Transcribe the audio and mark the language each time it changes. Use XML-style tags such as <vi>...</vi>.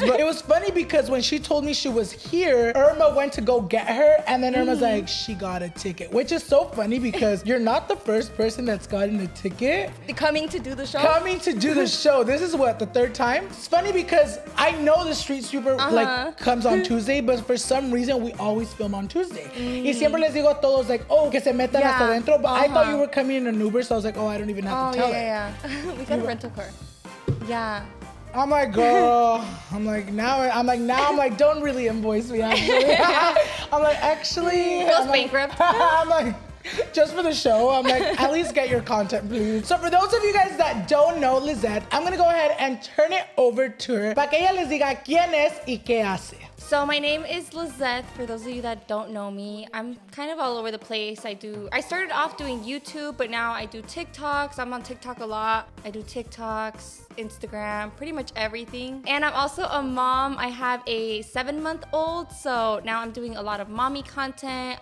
<en>But it was funny because when she told me she was here, Irma went to go get her, and then Irma's like, she got a ticket, which is so funny because you're not the first person that's gotten a ticket. Coming to do the show. This is what, the third time? It's funny because I know the street sweeper like comes on Tuesday, but for some reason we always film on Tuesday.</en> <es>Y siempre les digo a todos like, oh, que se metan hasta adentro.</es> <en>But I thought you were coming in an Uber, so I was like, oh, I don't even have to tell her. We got a rental car. Yeah. I'm like, girl, I'm like, don't really invoice me, actually. I'm like, actually. Bankrupt. I'm like, just for the show, I'm like, at least get your content, please. So for those of you guys that don't know Lizeth, I'm going to go ahead and turn it over to her.</en> <es>Para que ella les diga quién es y qué hace.</es> <en>So my name is Lizeth. For those of you that don't know me, I'm kind of all over the place. I started off doing YouTube, but now I do TikToks. I'm on TikTok a lot. I do TikToks, Instagram, pretty much everything. And I'm also a mom. I have a 7-month-old, so now I'm doing a lot of mommy content.</en>